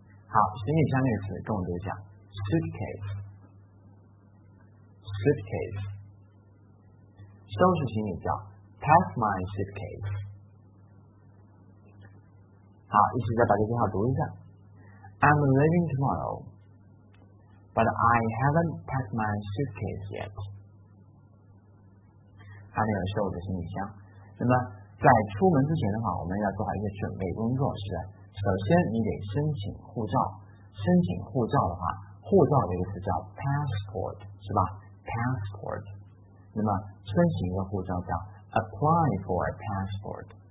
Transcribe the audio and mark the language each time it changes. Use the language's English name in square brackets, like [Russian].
[Chinese] 好，行李箱那个词跟我读一下 suitcase， suitcase， 收拾行李箱 [English] pack my suitcase。 [Chinese] 好，一起再把这句话读一下。 [English] I'm leaving tomorrow, but I haven't packed my suitcase yet. [Chinese] 还没有收我的行李箱。那么在出门之前的话，我们要做好一些准备工作，是吧？首先你得申请护照。申请护照的话，护照的意思叫 passport， 是吧？passport。那么申请一个护照叫 [English] apply for a passport。